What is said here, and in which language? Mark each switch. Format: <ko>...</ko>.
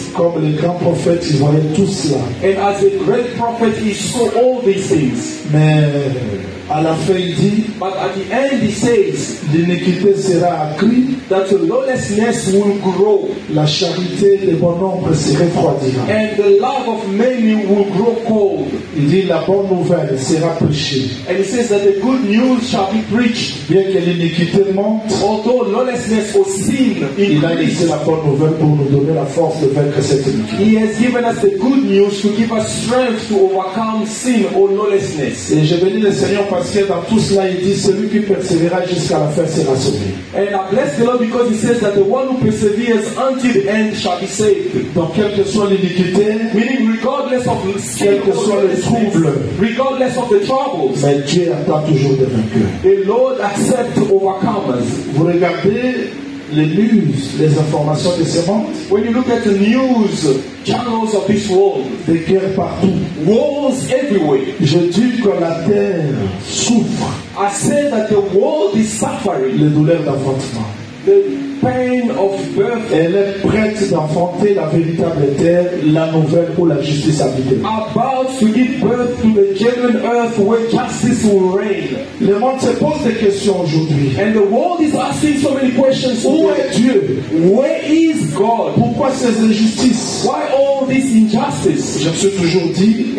<fr>Comme les grands prophètes, ils voyaient tout cela.</fr> <en>And as a great prophet, he saw all these things.</en> <fr>Mais à la fin, il dit,</fr> <en>but at the end, he says,</en> <fr>l'iniquité sera accrue,</fr> <en>that the lawlessness will grow,</en> <fr>la charité des bons hommes se refroidira,</fr> <en>and the love of many will grow cold.</en> <fr>Il dit, la bonne nouvelle sera prêchée,</fr> <en>and he says that the good news shall be preached,</en> <fr>bien que l'iniquité monte,</fr> <en>although lawlessness righteousness or sin.</en> <fr>Il a laissé la bonne nouvelle pour nous donner la force de vaincre cette nuit.</fr> <en>He has given us the good news to give us strength to overcome sin or lawlessness.</en> <fr>Et je bénis le Seigneur parce que dans tout cela, il dit celui qui persévérera jusqu'à la fin sera sauvé.</fr> <en>And I bless the Lord because He says that the one who perseveres until the end shall be saved.</en> <fr>Donc, quelle que soit l'iniquité,</fr> <en>meaning regardless of sin,</en> <fr>quel que soit le trouble,</fr> <en>regardless of the troubles,</en> <fr>mais Dieu attend toujours de vaincre.</fr> <en>The Lord accepts to overcome us.</en> <fr>Vous regardez les news, les informations de ce monde.</fr> <en>When you look at the news channels of this world,</en> <fr>des guerres partout,</fr> <en>wars everywhere.</en> <fr>Je dis que la terre souffre.</fr> <en>I say that the world is suffering.</en> <fr>Les douleurs d'enfantement.</fr> <en>The pain of birth.</en> <fr>Elle est prête d'enfanter la véritable terre, la nouvelle où la justice habite.</fr> <en>About to give birth to the genuine earth where justice will reign.</en> <fr>Le monde se pose des questions aujourd'hui.</fr> <en>And the world is asking so many questions.</en> <fr>Où est Dieu?</fr> <en>Where is God?</en> <fr>Pourquoi ces injustices?</fr> <en>Why all this injustice?</en> <fr>Je me suis toujours dit.</fr>